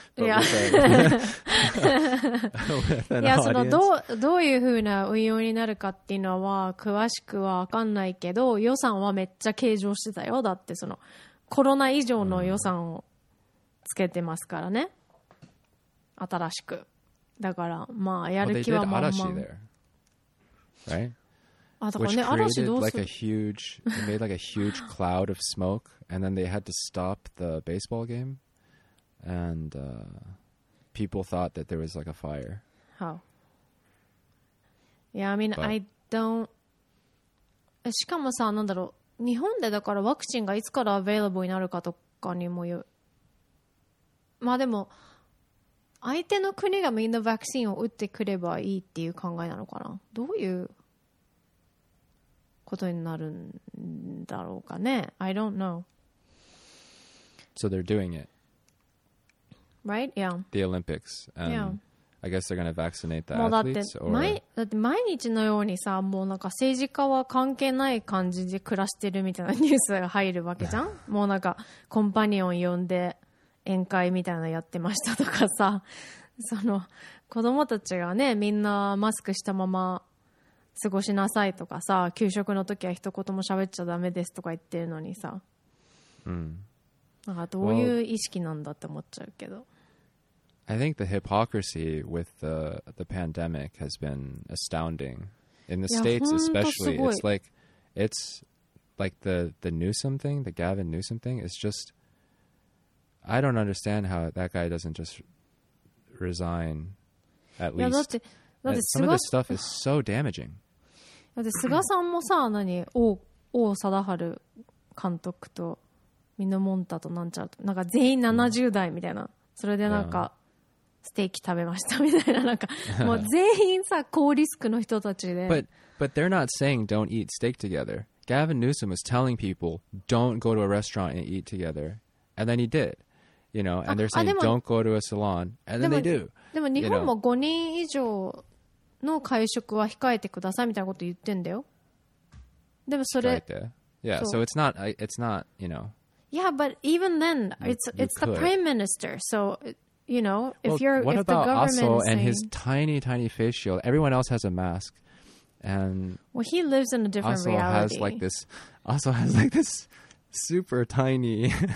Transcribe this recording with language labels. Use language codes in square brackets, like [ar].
[ja] Yeah, そのどういう風な運用になるかっていうのは詳しくは分かんないけど、予算はめっちゃ計上してたよ。だってそのコロナ以上の予算をつけてますからね。新しく。だからまあやる気はまんまん。 [en] Right? Which created like a huge, it made like a huge cloud of smoke, and then they had to stop the baseball game, and people thought that there was like a fire. How? Yeah, I mean, but, I don't. [ja] しかもさ、なんだろう、日本でだからワクチンがいつからアベイラブルになるかとかにもよ。まあでも、相手の国がみんなワクチンを打ってくればいいっていう考えなのかな。どういうことになるんだろうかね。 [en] I don't know. So they're doing it, right? Yeah. The Olympics. Yeah. I guess they're gonna vaccinate the athletes. [ja] だって毎日のようにさ、もうなんか政治家は関係ない感じで暮らしてるみたいなニュースが入るわけじゃん。もうなんかコンパニオン呼んで宴会みたいなのやってましたとかさ、その子供たちがね、みんなマスクしたまま過ごしなさいとかさ、給食の時は一言も喋っちゃダメですとか言ってるのにさ、なんかどういう意識なんだって思っちゃうけど。 [en] I think the hypocrisy with the pandemic has been astounding. In the States especially, it's like the Newsom thing, the Gavin Newsom thing, it's just, I don't understand how that guy doesn't just resign at least. Some of this stuff is so damaging. [ja] だって菅さんもさ、何、王貞治監督とミノモンタとなんちゃうと、なんか全員70代みたいな、それでなんかステーキ食べましたみたいな、なんかもう全員さ高リスクの人たちで。 [en] But they're not saying don't eat steak together. Gavin Newsom was telling people don't go to a restaurant and eat together, and then he did. You know, and they're saying don't go to a salon, and then they do. [ja] でも日本も5人以上の会食は控えてくださいみたいなこと言ってんだよ。でもそれ、 [en] yeah, so it's not, you know. Yeah, but even then, it's the prime minister. So, you know, what about Aso and his tiny, tiny face shield? Everyone else has a mask, and well, he lives in a different reality. Aso has like this super tiny.